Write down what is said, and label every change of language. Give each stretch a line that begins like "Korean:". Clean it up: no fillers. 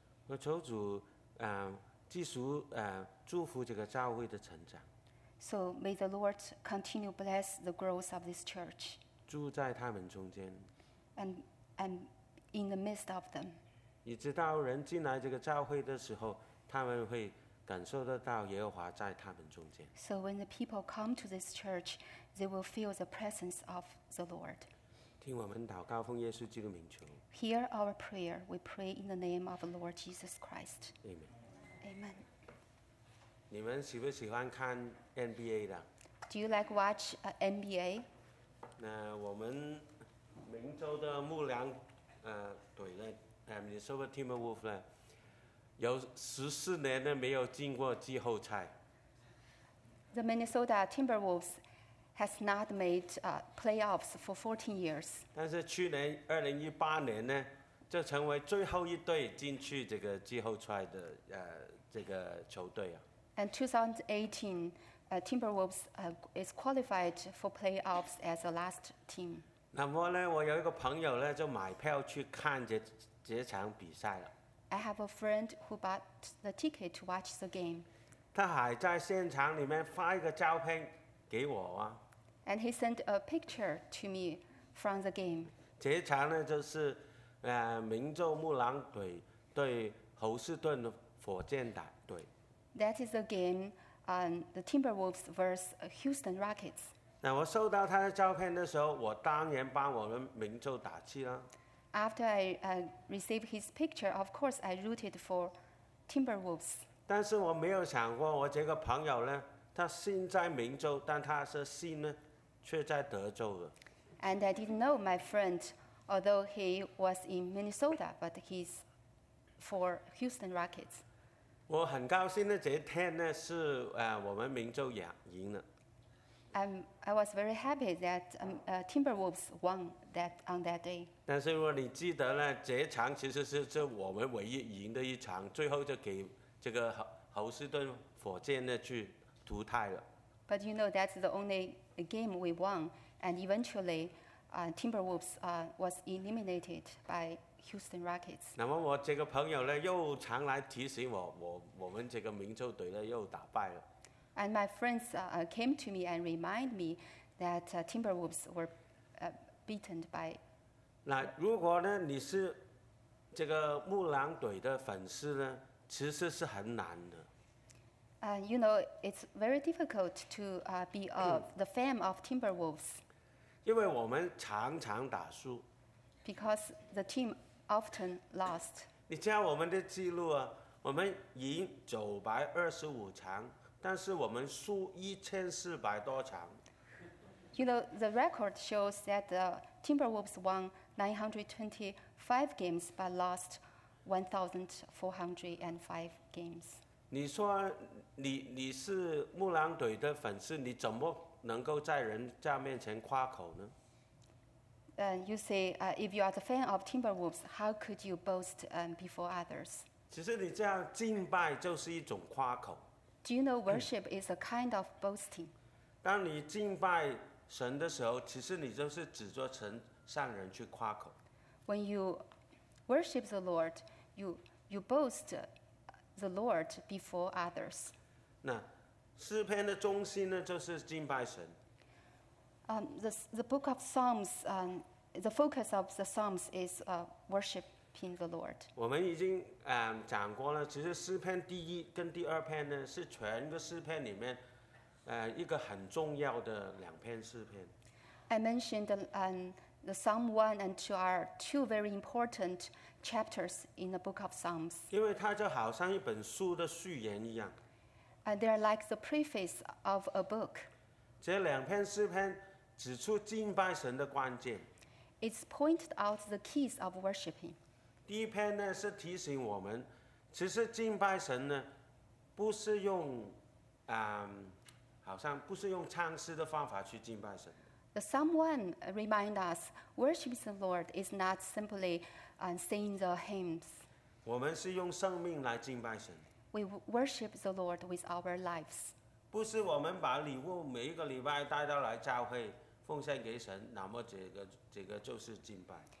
Chinese: 我求主继续祝福这个教会的成长。
English: So may the Lord continue bless the growth of this church。
Chinese: 住在他们中间。
English: And in the midst of them。
Chinese: 以直到人进来这个教会的时候，他们会感受得到耶和华在他们中间。
English: So when the people come to this church, they will feel the presence of the Lord。
Chinese: 听我们祷告，奉耶稣基督的名求。
English: Hear our prayer. We pray in the name of the Lord Jesus Christ. Amen. Amen.
Chinese: 你们喜不喜欢看 NBA 的
English: ？Do you like watch NBA？
Chinese: 那我们明州的牧羊队呢 ？Minnesota Timberwolves 呢？有14年的没有进过季后赛。
English: The Minnesota Timberwolves。 Has not made playoffs for 14 years.
Chinese: 但是去年2018年呢，就成为最后一队进去这个季后赛的这个球队啊。
English: And 2018, Timberwolves is qualified for playoffs as the last team.
Chinese: 那么呢，我有一个朋友呢，就买票去看这场比赛了。
English: I have a friend who bought the ticket to watch the game.
Chinese: 他还在现场里面发一个照片。给我啊。
English: And he sent a picture to me from the game.
Chinese: 这场呢就是明州牧羊队对侯士顿火箭队。
English: That is a game on the Timberwolves versus Houston Rockets.
Chinese: 那我收到他的照片的时候，我当然帮我们明州打气了。
English: After I received his picture, of course I rooted for Timberwolves.
Chinese: 但是我没有想过我这个朋友呢，他心在明州，但他的心呢，却在德州了。
English: And I didn't know my friend, although he was in Minnesota, but he's for Houston Rockets.
Chinese: 我很高兴的这天呢，是我们明州赢了。
English: I was very happy that Timberwolves won that on that day.
Chinese: 但是如果你记得呢，这场其实是我们唯一赢的一场，最后就给这个侯士顿火箭呢去。
English: But you know that's the only game we won, and eventually, Timberwolves was eliminated by Houston Rockets.
Chinese: 那么我这个朋友呢，又常来提醒我，我们这个明州队呢又打败了。
English: And my friends came to me and remind me that Timberwolves were beaten by.
Chinese: 那如果呢，你是这个牧羊队的粉丝呢，其实是很难的。
English: You know, it's very difficult to be the fan of Timberwolves.
Chinese: 因为我们常常打输。
English: Because the team often lost.
Chinese: 你知道我们的记录啊？我们赢925场，但是我们输1400多场。
English: You know, the record shows that the Timberwolves won 925 games but lost 1,405 games.
Chinese: 你说你是牧羊队的粉丝，你怎么能够在人家面前夸口呢？
English: You say, if you are the fan of Timberwolves, how could you boast before others?
Chinese: 其实你这样敬拜就是一种夸口。
English: Do you know worship is a kind of boasting?
Chinese: 当你敬拜神的时候，其实你就是指着神向人去夸口。
English: When you worship the Lord, you boast. The Lord before others.
Chinese: 那诗篇的中心呢，就是敬拜神。
English: The book of Psalms, the focus of the Psalms is worshiping the Lord.
Chinese: 我们已经讲过了，其实诗篇第一跟第二篇呢，是全个诗篇里面一个很重要的两篇诗篇。
English: I mentioned the Psalm 1 and 2 are two very important chapters in the book of Psalms.
Chinese: 因为它就好像一本书的序言一样。
English: And they are like the preface of a book.
Chinese: 这两篇诗篇指出敬拜神的关键。
English: It's pointed out the keys of worshiping.
Chinese: 第一篇呢是提醒我们，其实敬拜神呢，不是用，好像不是用唱诗的方法去敬拜神。
English: The Psalm 1 remind us, worship the Lord is not simply singing the hymns.
Chinese: 我们是用生命来敬拜神。
English: We worship the Lord with our lives.
Chinese: 不是我们把礼物每一个礼拜带到来教会奉献给神，那么这个就是敬拜。